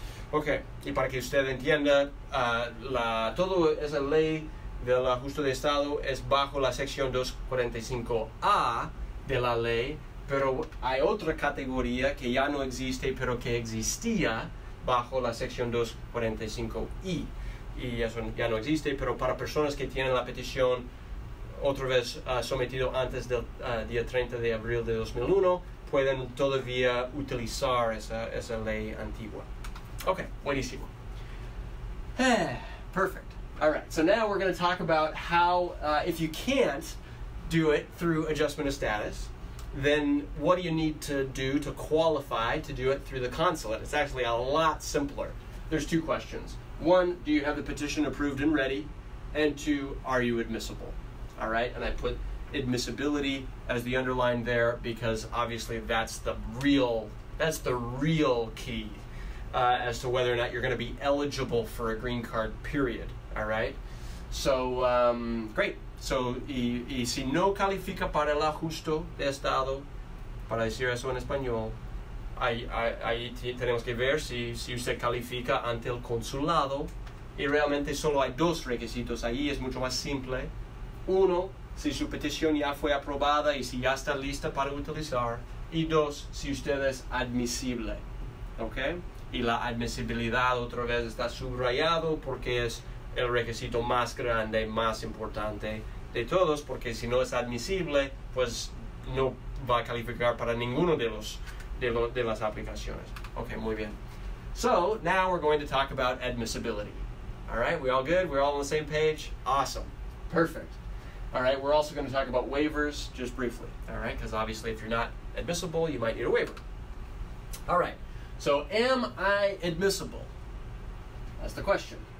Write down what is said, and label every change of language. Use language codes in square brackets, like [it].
[es] Ok, y para que usted entienda, toda esa ley del ajuste de estado es bajo la sección 245a de la ley, pero hay otra categoría que ya no existe pero que existía bajo la sección 245i. Y eso ya no existe, pero para personas que tienen la petición otra vez sometido antes del día 30 de abril de 2001, pueden todavía utilizar esa ley antigua. [en] Okay, buenísimo. Perfect. All right, so now we're going to talk about how, if you can't do it through adjustment of status, then what do you need to do to qualify to do it through the consulate? It's actually a lot simpler. There's 2 questions. 1, do you have the petition approved and ready? And 2, are you admissible? All right, and I put admissibility as the underline there because obviously that's the real key as to whether or not you're gonna be eligible for a green card, period, all right? So, great. [es] So, y si no califica para el ajuste de estado, para decir eso en español, Ahí tenemos que ver si usted califica ante el consulado. Y realmente solo hay 2 requisitos. Ahí es mucho más simple. 1, si su petición ya fue aprobada y si ya está lista para utilizar. Y 2, si usted es admisible. ¿Okay? Y la admisibilidad otra vez está subrayado porque es el requisito más grande, más importante de todos. Porque si no es admisible, pues no va a calificar para ninguno de los de las aplicaciones. Okay, muy bien. [en] So, now we're going to talk about admissibility. All right, we all good? We're all on the same page? Awesome. Perfect. All right, we're also going to talk about waivers just briefly. All right, because obviously if you're not admissible, you might need a waiver. All right, so am I admissible? That's the question.